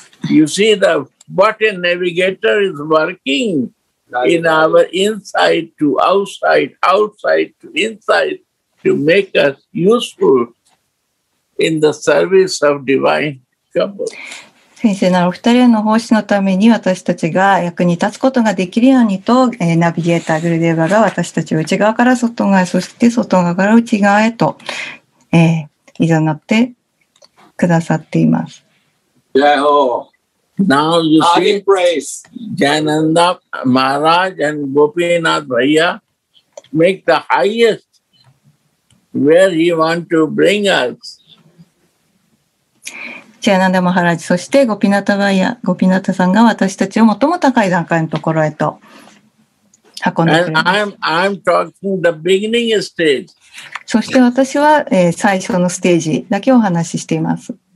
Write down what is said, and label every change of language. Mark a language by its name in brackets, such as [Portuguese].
[English] You see the what a navigator is working in our inside to outside, outside to inside. To make us useful in the service of divine couple. [Japanese] 先生ならお二人の奉仕のために私たちが役に立つことができるようにと、ナビゲーターグルデーバが私たちを内側から外側、そして外側から内側へと、いざなってくださっています。 [English] Yeah, now you see Jananda Maharaj and Gopinath Bhaiya make the highestWhere he want to bring us. [Japanese] ジャナンダ・マハラジ、そしてゴピナタ・バイヤ、ゴピナタさんが私たちを最も高い段階のところへと運んでくれます。 [English] And I'm talking the beginning stage. [Japanese] そして私は、最初のステージだけお話ししています。